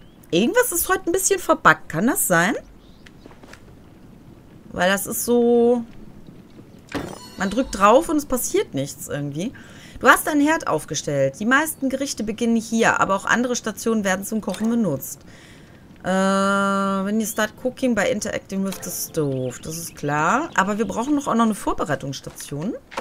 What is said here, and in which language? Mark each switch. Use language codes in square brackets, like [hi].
[de] Irgendwas ist heute ein bisschen verbuggt. Kann das sein? Weil das ist so... Man drückt drauf und es passiert nichts irgendwie. Du hast deinen Herd aufgestellt. Die meisten Gerichte beginnen hier, aber auch andere Stationen werden zum Kochen benutzt. Wenn [en] you start cooking by interacting with the stove. [de] Das ist klar. Aber wir brauchen noch auch noch eine Vorbereitungsstation.